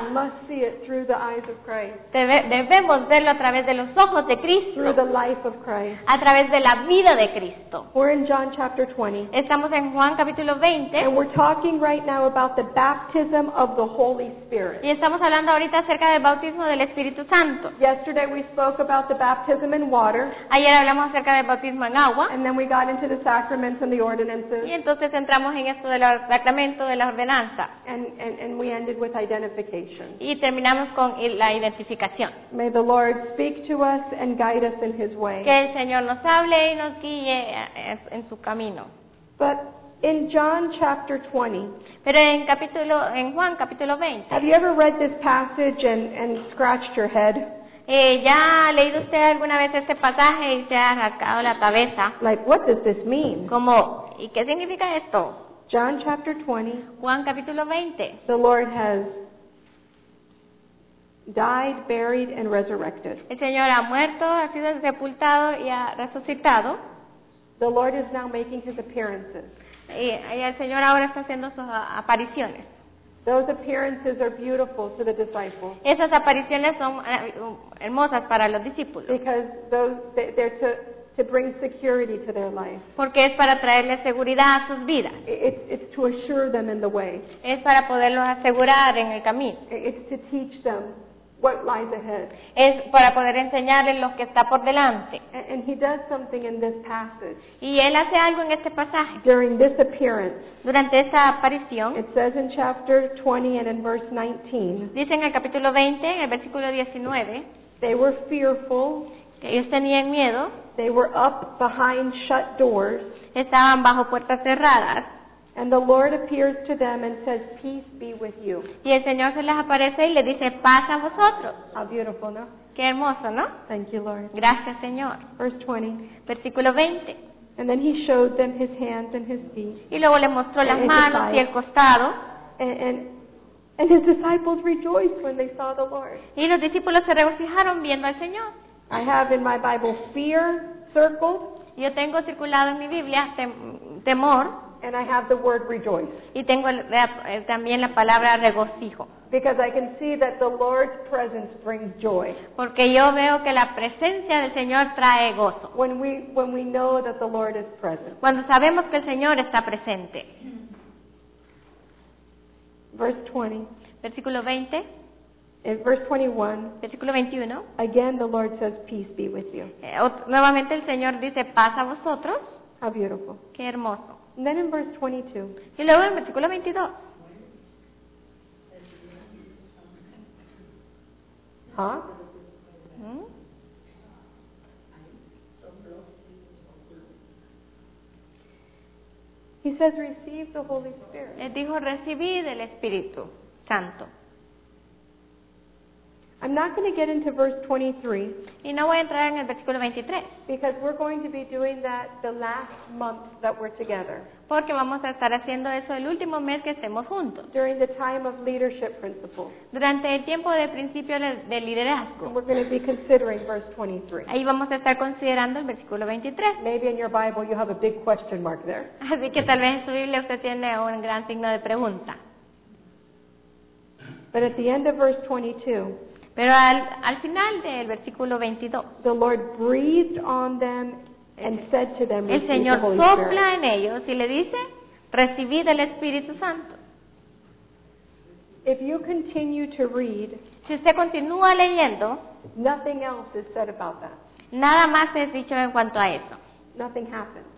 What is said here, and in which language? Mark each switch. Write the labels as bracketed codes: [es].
[en] We must see it through the eyes of Christ. [es] Debemos verlo a través de los ojos de Cristo. [en] Through the life of Christ. [es] A través de la vida de Cristo. [en] We're in John chapter 20. [es] Estamos en Juan capítulo 20. [en] And we're talking right now about the baptism of the Holy Spirit. [es] Y estamos hablando ahorita acerca del bautismo del Espíritu Santo. [en] Yesterday we spoke about the baptism in water. [es] Ayer hablamos acerca del bautismo en agua. [en] And then we got into the sacraments and the ordinances. [es] Y entonces entramos en esto del sacramento de la ordenanza. [en] And we ended with identification. [es] Y terminamos con la identificación. [en] May the Lord speak to us and guide us in His way. [es] Que el Señor nos hable y nos guíe en su camino. [en] But in John chapter 20. [es] Pero en Juan capítulo 20. [en] Have you ever read this passage and scratched your head? [es] ¿Ya ha leído usted alguna vez este pasaje y se ha rascado la cabeza? [en] Like, what does this mean? [es] Como, ¿y qué significa esto? [en] John chapter 20. [es] Juan capítulo 20. [en] The Lord has died, buried, and resurrected. [es] El Señor ha muerto, ha sido sepultado y ha resucitado. [en] The Lord is now making his appearances. [es] Y el Señor ahora está haciendo sus apariciones. [en] Those appearances are beautiful to the disciples. [es] Esas apariciones son hermosas para los discípulos. [en] Because they're to bring security to their life. [es] Porque es para traerles seguridad a sus vidas. [en] It's to assure them in the way. [es] Es para poderlos asegurar en el camino. [en] It's to teach them what lies ahead. [es] Es para poder enseñarles lo que está por delante. [en] And he does something in this passage. [es] Y él hace algo en este pasaje. [en] During this appearance. [es] Durante esta aparición. [en] It says in chapter 20 and in verse 19. [es] Dice en el capítulo 20, en el versículo 19. [en] They were fearful. [es] Que ellos tenían miedo. [en] They were up behind shut doors. [es] Estaban bajo puertas cerradas. [en] And the Lord appears to them and says, "Peace be with you." [es] Y el Señor se les aparece y le dice, "Paz a vosotros." [en] How beautiful, no? [es] Qué hermoso, ¿no? [en] Thank you, Lord. [es] Gracias, Señor. [en] Verse 20. [es] Versículo 20. [en] And then he showed them his hands and his feet. [es] Y luego les mostró las manos y el costado. [en] And his disciples rejoiced when they saw the Lord. [es] Y los discípulos se regocijaron viendo al Señor. [en] I have in my Bible fear circled. [es] Yo tengo circulado en mi Biblia temor. [en] And I have the word rejoice. [es] Y tengo también la palabra regocijo. [en] Because I can see that the Lord's presence brings joy. [es] Porque yo veo que la presencia del Señor trae gozo. [en] When we know that the Lord is present. [es] Cuando sabemos que el Señor está presente. [en] Verse 20. [es] Versículo 20. [en] In verse 21, [es] versículo 21, [en] again the Lord says, "Peace be with you." [es] Nuevamente el Señor dice, paz a vosotros. [en] How beautiful. [es] Qué hermoso. [en] And then in verse 22, [es] y luego en versículo 22. Huh? [en] He says, "Receive the Holy Spirit." [es] Él dijo, recibid el Espíritu Santo. [en] I'm not going to get into verse 23. [es] Y no voy a entrar en el versículo 23. [en] Because we're going to be doing that the last month that we're together. [es] Porque vamos a estar haciendo eso el último mes que estemos juntos. [en] During the time of leadership principles. [es] Durante el tiempo de principio de liderazgo. [en] And we're going to be considering verse 23. [es] Ahí vamos a estar considerando el versículo 23. [en] Maybe in your Bible you have a big question mark there. [es] Así que tal vez en su Biblia usted tiene un gran signo de pregunta. [en] But at the end of verse 22. [es] Pero al final del versículo 22, [en] the Lord breathed on them and said to them, [es] el Señor sopla en ellos y le dice, recibid el Espíritu Santo. [en] If you continue to read, [es] si usted continúa leyendo, [en] nothing else is said about that. [es] Nada más es dicho en cuanto a eso. [en] Nothing happens.